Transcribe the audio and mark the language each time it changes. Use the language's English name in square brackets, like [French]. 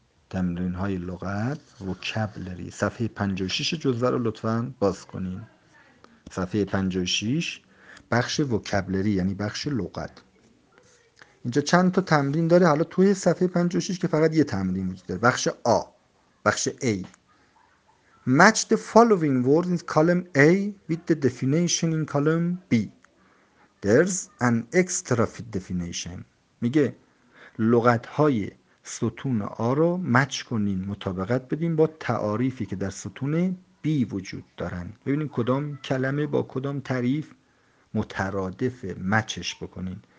[Persian] تمرین های لغت vocabulary. صفحه 56 جزوه رو لطفاً باز کنین. صفحه 56 بخش vocabulary یعنی بخش لغت. اینجا چند تا تمرین داره. حالا توی صفحه 56 که فقط یه تمرین وجود داره. بخش A. بخش A. [English] Match the following words in column A with the definition in column B. There's an extra fit definition. [Persian] میگه لغت های ستون آ رو مچ کنین، مطابقت بدین با تعاریفی که در ستون بی وجود دارن. ببینین کدام کلمه با کدام تعریف مترادف، مچش بکنین.